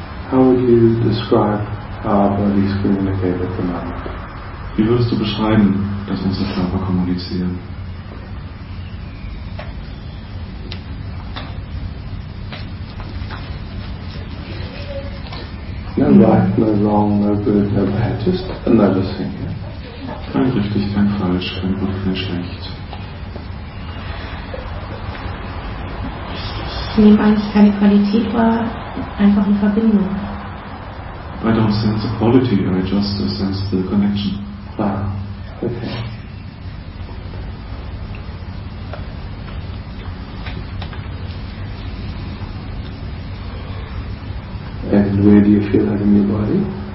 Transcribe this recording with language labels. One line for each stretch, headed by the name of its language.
English: how would you describe how our bodies communicate at the moment?
German: Wie würdest du beschreiben, dass unsere Körper kommunizieren?
English: No right, no wrong, no good, no bad, just another thing. Yeah?
German: Kein richtig, kein falsch, kein gut, kein schlecht. Ich nehme eigentlich keine Qualität wahr, einfach eine Verbindung.
English: I don't sense a quality, I just sense the connection. Ah, okay. And where do you feel that in your body?